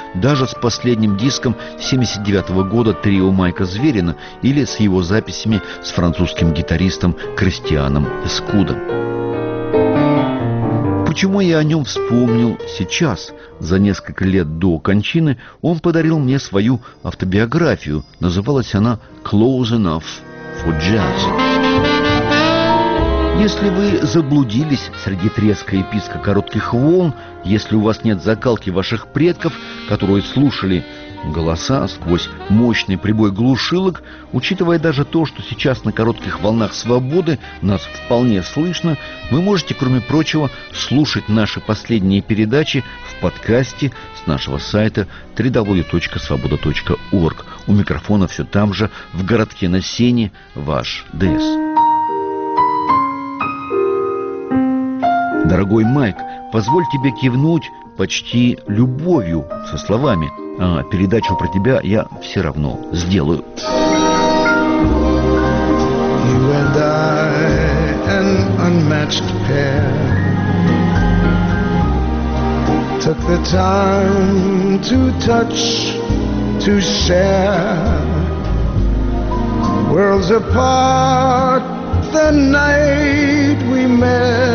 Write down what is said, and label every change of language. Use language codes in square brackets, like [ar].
[ru] Даже с последним диском 79-го года трио Майка Зверина или с его записями с французским гитаристом Кристианом Эскуда. Почему я о нем вспомнил сейчас? За несколько лет до кончины он подарил мне свою автобиографию. Называлась она «Close Enough for Jazz». Если вы заблудились среди треска и писка коротких волн, если у вас нет закалки ваших предков, которые слушали голоса сквозь мощный прибой глушилок, учитывая даже то, что сейчас на коротких волнах свободы нас вполне слышно, вы можете, кроме прочего, слушать наши последние передачи в подкасте с нашего сайта www.svoboda.org. У микрофона все там же, в городке на Сене, ваш ДС. Дорогой Майк, позволь тебе кивнуть почти любовью со словами, а передачу про тебя я все равно сделаю. [en] You and I, an unmatched pair, took the time to touch, to share, worlds apart the night we met.